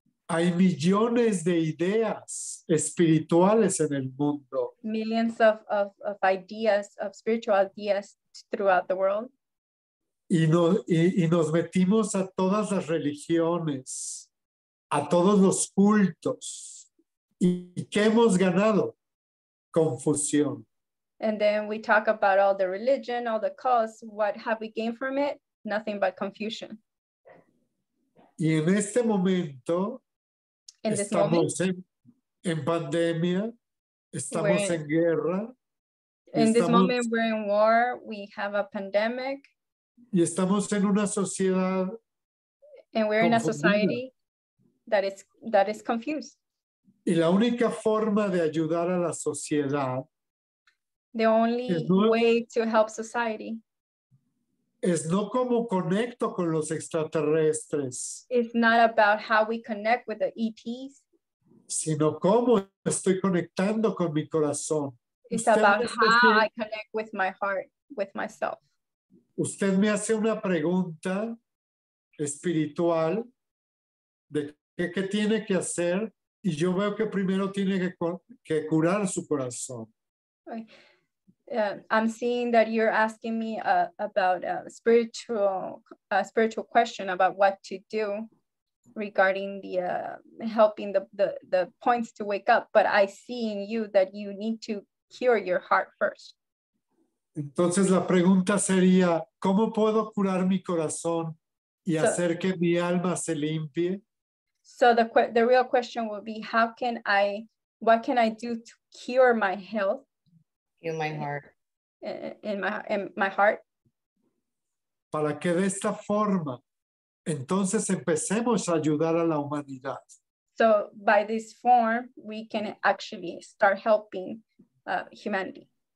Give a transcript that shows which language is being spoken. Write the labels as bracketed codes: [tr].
[es] Hay millones de ideas espirituales en el mundo. [en] Millions of ideas, of spiritual ideas throughout the world. [es] Y nos metimos a todas las religiones, a todos los cultos. ¿Y qué hemos ganado? Confusión. [en] And then we talk about all the religion, all the cults. What have we gained from it? Nothing but confusion. [es] Y en este momento, [en] in [es] estamos [en] this moment, [es] en pandemia, estamos en guerra. [en] In this moment, we're in war, we have a pandemic. [es] Y estamos en una sociedad. [en] And we're [es] confundida. [en] In a society that is confused. [es] Y la única forma de ayudar a la sociedad. [en] The only way to help society. [es] Es no como conecto con los extraterrestres. [en] It's not about how we connect with the ETs. [es] Sino cómo estoy conectando con mi corazón. [en] It's about how I connect with my heart, with myself. [es] Usted me hace una pregunta espiritual de qué tiene que hacer, y yo veo que primero tiene que curar su corazón. [en] I'm seeing that you're asking me about a spiritual question about what to do regarding the helping the points to wake up, but I see in you that you need to cure your heart first. [es] Entonces la pregunta sería, ¿cómo puedo curar mi corazón y hacer que mi alma se limpie? [en] So the real question would be, what can I do to cure my health? Heal my heart. In my heart. [es] Para que de esta forma, entonces empecemos a ayudar a la humanidad. [en] So by this form, we can actually start helping humanity.